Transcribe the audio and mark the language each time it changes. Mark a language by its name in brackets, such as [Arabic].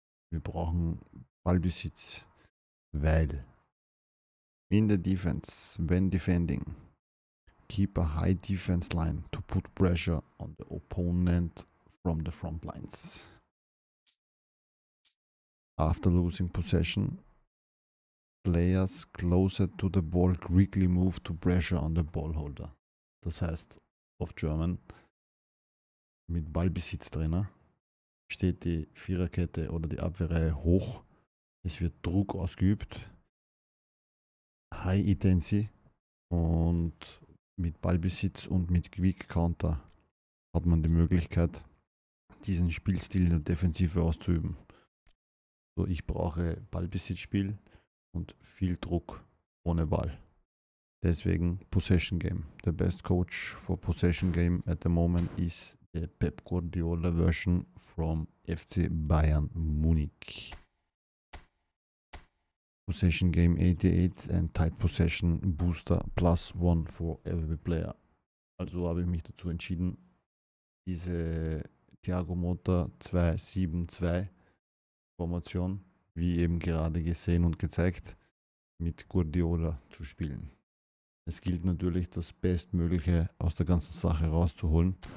[German] Wir brauchen Ballbesitz. Weil [English] in the defense, when defending, keep a high defense line to put pressure on the opponent from the front lines. After losing possession, players closer to the ball quickly move to pressure on the ball holder. [German] Das heißt, auf German, mit Ballbesitz drinnen, steht die Viererkette oder die Abwehrreihe hoch. Es wird Druck ausgeübt, [English] high intensity [German] und mit Ballbesitz und mit Quick Counter hat man die Möglichkeit, diesen Spielstil in der Defensive auszuüben. So, ich brauche Ballbesitzspiel und viel Druck ohne Ball. Deswegen Possession Game. [English] The best coach for Possession Game at the moment is the Pep Guardiola version from FC Bayern Munich. Possession Game 88 and Tight Possession Booster plus 1 for every player. [German] Also habe ich mich dazu entschieden, diese Thiago Motta 2-7-2 Formation, wie eben gerade gesehen und gezeigt, mit Guardiola zu spielen. Es gilt natürlich, das Bestmögliche aus der ganzen Sache rauszuholen.